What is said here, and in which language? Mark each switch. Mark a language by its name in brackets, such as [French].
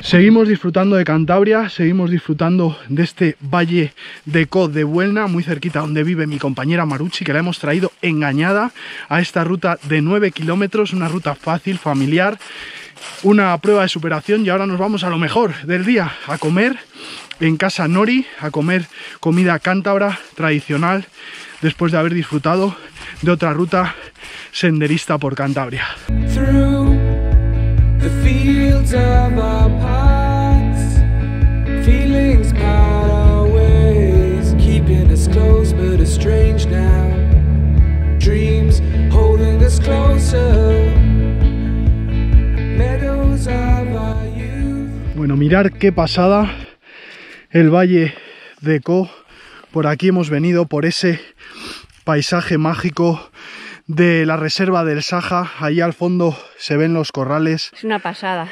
[Spanish] Seguimos disfrutando de Cantabria, seguimos disfrutando de este valle de Co de Buelna, muy cerquita donde vive mi compañera Marucci, que la hemos traído engañada a esta ruta de 9 kilómetros, una ruta fácil, familiar, una prueba de superación. Y ahora nos vamos a lo mejor del día, a comer en casa Nori, a comer comida cántabra tradicional, después de haber disfrutado de otra ruta senderista por Cantabria. [English] Through the fields of our paths, feelings part our ways, keeping us close but estranged now, dreams holding us closer. Meadows of our youth. [Spanish] Bueno, mirar qué pasada el valle de Co. Por aquí hemos venido, por ese paisaje mágico de la reserva del Saja. Ahí al fondo se ven los corrales. Es una pasada.